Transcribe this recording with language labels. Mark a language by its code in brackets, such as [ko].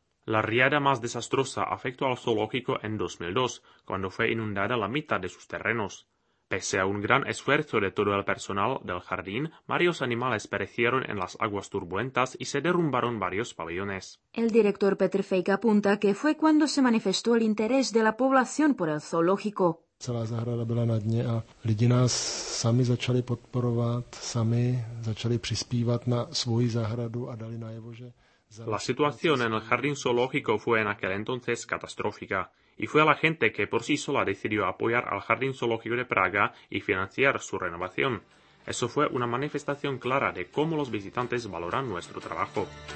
[es] La riada más desastrosa afectó al zoológico en 2002, cuando fue inundada la mitad de sus terrenos. Pese a un gran esfuerzo de todo el personal del jardín, varios animales perecieron en las aguas turbulentas y se derrumbaron varios pabellones. El director Peter Feig apunta que fue cuando se manifestó el interés de la población por el zoológico. [cs] Celá zahrada byla na dně a lidi nás sami začali podporovat, sami začali přispívat na svoji zahradu a dali najevo, že... [es] La situación en el jardín zoológico fue en aquel entonces catastrófica, y fue la gente que por sí sola decidió apoyar al Jardín Zoológico de Praga y financiar su renovación. Eso fue una manifestación clara de cómo los visitantes valoran nuestro trabajo.